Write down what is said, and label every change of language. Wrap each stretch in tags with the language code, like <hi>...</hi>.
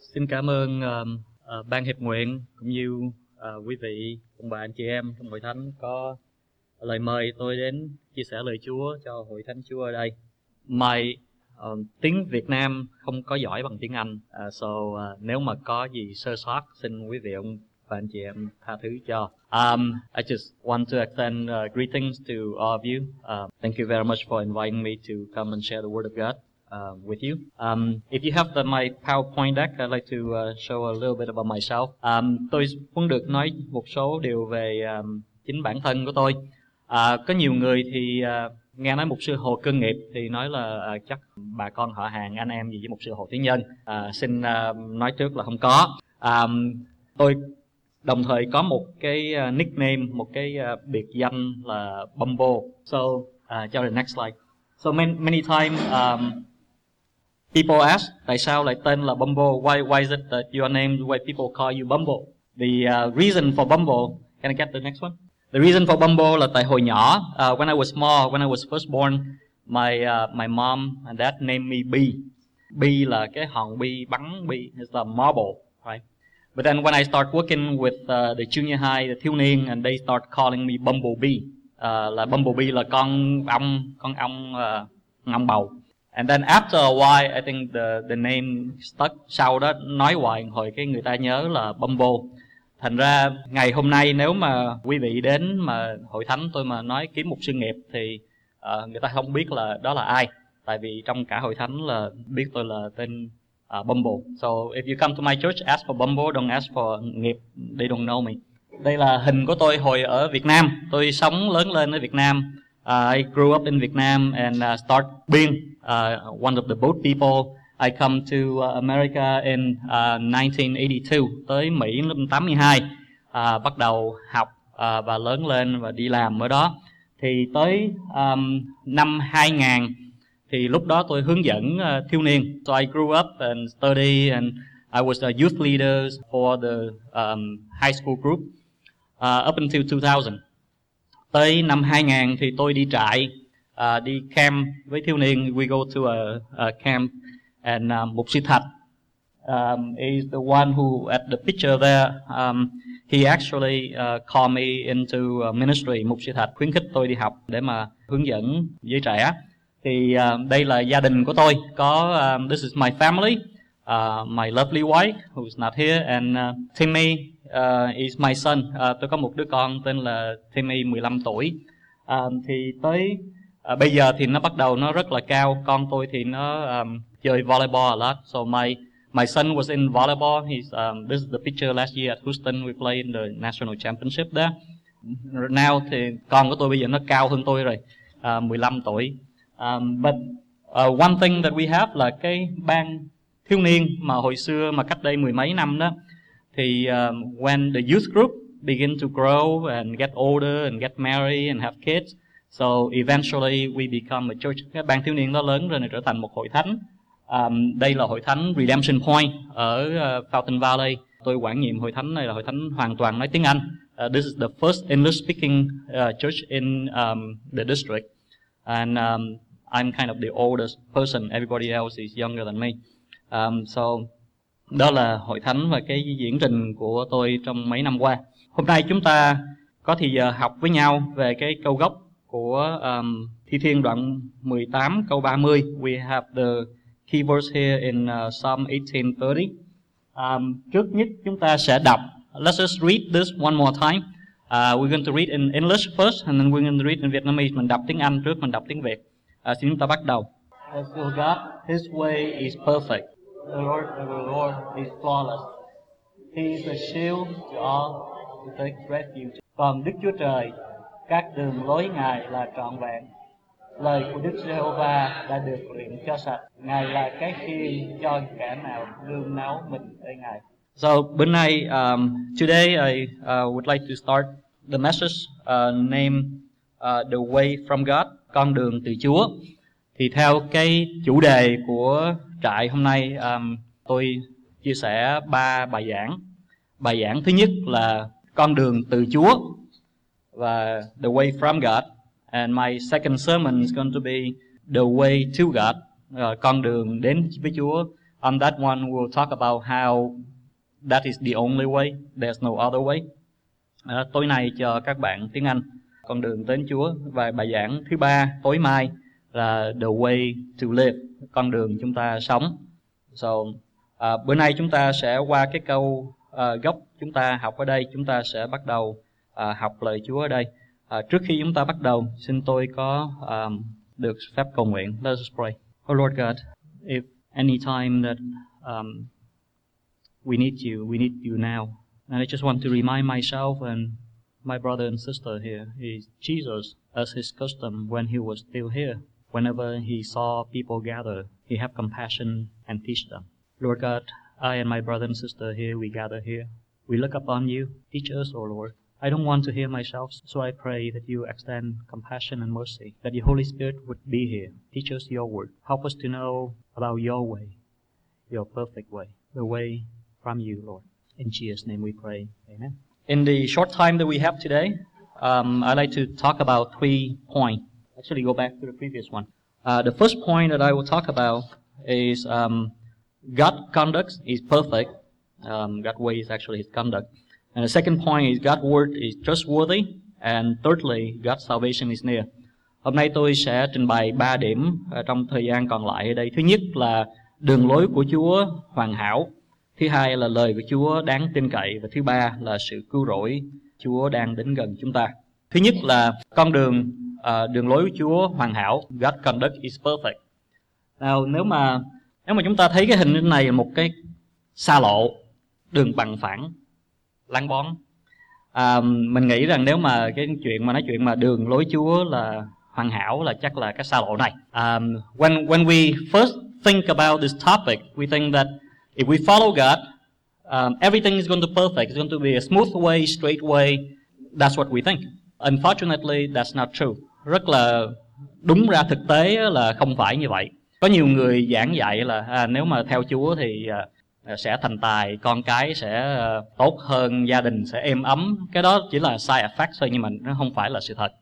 <vi>Xin cảm ơn ban hiệp nguyện cũng như quý vị cùng bà anh chị em trong hội thánh có lời mời tôi đến chia sẻ lời Chúa cho hội thánh Chúa ở đây. My tiếng Việt Nam không có giỏi bằng tiếng Anh, nếu mà có gì sơ sót xin quý vị ông bà anh chị em tha thứ cho.</vi> <en>I just want to extend greetings to all of you. Thank you very much for inviting me to come and share the Word of God with you. If you have my PowerPoint deck, I'd like to show a little bit about myself.</en> <vi>Tôi muốn được nói một số điều về chính bản thân của tôi. Có nhiều người thì nghe nói mục sư Hồ Cơ Nghiệp thì nói là chắc bà con họ hàng anh em gì với mục sư Hồ Thế Nhân. Xin nói trước là không có. Tôi đồng thời có một cái nickname, một cái biệt danh là Bumbo.</vi> <en>So, cho the next slide. So many times people ask,</en> <vi>tại sao lại tên là Bumbo?</vi> <en>Why is it that your name, why people call you Bumbo? The reason for Bumbo, can I get the next one? The reason for Bumble</en> <vi>là tại hồi nhỏ,</vi> <en>when I was small, when I was first born, my mom and dad named me B.</en> <vi>B là cái hòn bi, bắn bi,</vi> <en>it's a marble, right? But then when I start working with the junior high, the thiếu niên, and they start calling me Bumblebee.</en> <vi>Là Bumblebee là con ong ngâm bầu.</vi> <en>And then after a while, I think the name stuck.</en> <vi>Sau đó nói hoài hồi cái người ta nhớ là Bumble. Thành ra ngày hôm nay nếu mà quý vị đến mà hội thánh tôi mà nói kiếm một sự nghiệp thì người ta không biết là đó là ai. Tại vì trong cả hội thánh là biết tôi là tên Bumble.</vi> <en>So if you come to my church, ask for Bumble, don't ask for nghiệp, they don't know me.</en> <vi>Đây là hình của tôi hồi ở Việt Nam. Tôi sống lớn lên ở Việt Nam.</vi> <en>I grew up in Vietnam and start being one of the boat people. I come to America in 1982,</en> <vi>tới Mỹ năm 82, bắt đầu học và lớn lên và đi làm ở đó. Thì tới năm 2000, thì lúc đó tôi hướng dẫn thiếu niên.</vi> <en>So I grew up and study and I was a youth leader for the high school group up until 2000.</en> <vi>Tới năm 2000 thì tôi đi trại, đi camp với thiếu niên.</vi> <en>We go to a camp. And Mục Sư Thạch is the one who at the picture there. He actually called me into ministry.</en> <vi>Mục Sư Thạch khuyến khích tôi đi học để mà hướng dẫn giới trẻ. Thì đây là gia đình của tôi.</vi> <en>Có this is my family, my lovely wife who's not here, and Timmy is my son.</en> <vi>Tôi có một đứa con tên là Timmy, 15 tuổi. Thì tới bây giờ thì nó bắt đầu nó rất là cao. Con tôi thì nó chơi</vi> <en>volleyball a lot. So my son was in volleyball. He's this is the picture last year at Houston. We played in the national championship there.</en> <vi>Now thì con của tôi bây giờ nó cao hơn tôi rồi, 15 tuổi.</vi> <en>But one thing that we have</en> <vi>là cái ban thiếu niên mà hồi xưa mà cách đây mười mấy năm đó, thì</vi> <en>when the youth group begin to grow and get older and get married and have kids, so eventually we become a church.</en> <vi>Cái ban thiếu niên nó lớn rồi nó trở thành một hội thánh. Đây là hội thánh Redemption Point ở Fountain Valley. Tôi quản nhiệm hội thánh này là hội thánh hoàn toàn nói tiếng Anh.</vi> <en>This is the first English speaking church in the district. And I'm kind of the oldest person. Everybody else is younger than me.</en> <vi>So đó là hội thánh và cái diễn trình của tôi trong mấy năm qua. Hôm nay chúng ta có thì giờ học với nhau về cái câu gốc của Thi Thiên đoạn 18 câu 30.</vi> <en>We have the key verse here in Psalm 18:30.</en> <vi>Trước nhất chúng ta sẽ đọc.</vi> <en>Let's just read this one more time. We're going to read in English first, and then we're going to read in Vietnamese.</en> <vi>Mình đọc tiếng Anh trước, mình đọc tiếng Việt. Xin chúng ta bắt đầu.</vi> <en>As your God, His way is perfect. The Lord of the Lord is flawless. He is a shield to all who take refuge.</en> <vi>Còn Đức Chúa Trời, các đường lối Ngài là trọn vẹn. Lời của Đức Giê-hô-va đã được luyện cho sạch. Ngài là cái khiên cho kẻ nào nương náu mình tới Ngài.</vi> <en>So,</en> <vi>bữa nay,</vi> <en>today I would like to start the message named The Way from God,</en> <vi>con đường từ Chúa. Thì theo cái chủ đề của trại hôm nay, tôi chia sẻ ba bài giảng. Bài giảng thứ nhất là con đường từ Chúa và</vi> <en>The Way from God. And my second sermon is going to be The Way to God,</en> <vi>con đường đến với Chúa.</vi> <en>On that one, we'll talk about how that is the only way, there's no other way.</en> <vi>Tối nay cho các bạn tiếng Anh, con đường đến Chúa. Và bài giảng thứ ba, tối mai, là</vi> <en>The Way to Live,</en> <vi>con đường chúng ta sống. So, bữa nay chúng ta sẽ qua cái câu gốc chúng ta học ở đây, chúng ta sẽ bắt đầu học lời Chúa ở đây. Trước khi chúng ta bắt đầu, xin tôi có được phép cầu nguyện.</vi> <en>Let us pray. Oh Lord God, if any time that we need you now. And I just want to remind myself and my brother and sister here, is Jesus, as his custom when he was still here, whenever he saw people gather, he had compassion and teach them. Lord God, I and my brother and sister here, we gather here. We look upon you. Teach us, O Lord. I don't want to hear myself, so I pray that you extend compassion and mercy, that your Holy Spirit would be here. Teach us your word. Help us to know about your way, your perfect way, the way from you, Lord. In Jesus' name we pray. Amen. In the short time that we have today, I'd like to talk about three points. Actually, go back to the previous one. The first point that I will talk about is God's conduct is perfect. God's way is actually His conduct. And the second point is God's word is trustworthy. And thirdly, God's salvation is near.</en> <vi>Hôm nay tôi sẽ trình bày 3 điểm trong thời gian còn lại ở đây. Thứ nhất là đường lối của Chúa hoàn hảo. Thứ hai là lời của Chúa đáng tin cậy. Và thứ ba là sự cứu rỗi Chúa đang đến gần chúng ta. Thứ nhất là con đường, đường lối của Chúa hoàn hảo.</vi> <en>God's conduct is perfect.</en> <vi>Nào, nếu mà chúng ta thấy cái hình này là một cái xa lộ, đường bằng phẳng, lăn bón. Mình nghĩ rằng nếu mà cái chuyện mà nói chuyện mà đường lối Chúa là hoàn hảo là chắc là cái xa lộ này.</vi> <en>When we first think about this topic, we think that if we follow God, everything is going to be perfect. It's going to be a smooth way, straight way. That's what we think. Unfortunately, that's not true.</en> <vi>Rất là đúng ra thực tế là không phải như vậy. Có nhiều người giảng dạy là nếu mà theo Chúa thì sẽ thành tài, con cái sẽ tốt hơn, gia đình sẽ êm ấm. Cái đó chỉ là side effect thôi, nhưng mà nó không phải là sự thật.</vi>